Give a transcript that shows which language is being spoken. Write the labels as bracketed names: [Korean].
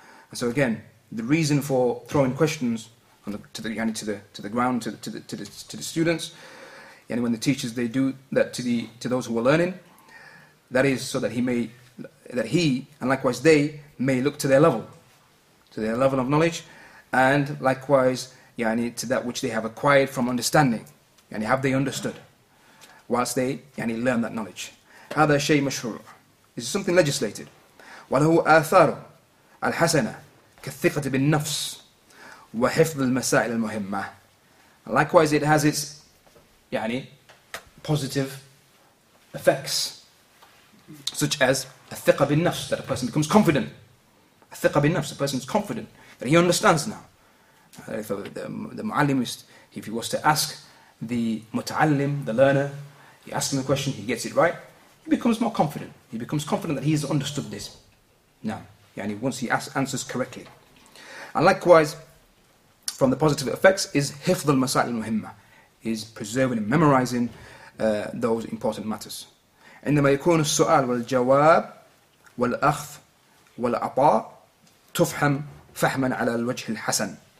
[English] And so again, the reason for throwing questions on to the students, and when the teachers they do that to those who are learning, that is so that he and likewise they may look to their level of knowledge, and likewise يعني to that which they have acquired from understanding, يعني have they understood, whilst they يعني learn that knowledge. [Arabic] هذا شيء مشروع. [English] This is something legislated. [Arabic] وله آثار الحسنة كالثقة بالنفس وحفظ المسائل المهمة. [English] Likewise, it has its يعني positive effects, such as [Arabic] الثقة بالنفس, [English] that a person becomes confident. [Arabic] الثقة بالنفس, [English] a person is confident that he understands now. If the muallimist, if he was to ask the mutaallim, the learner, he asks him a question, he gets it right, he becomes more confident. He becomes confident that he has understood this. Now, yani once he answers correctly. And likewise, from the positive effects is [Arabic] hifdh al-masail al-muhimma, [English] is preserving and memorizing those important matters. [Arabic] عندما يكون السؤال والجواب والأخذ والعطاء تفهم فهما على الوجه الحسن.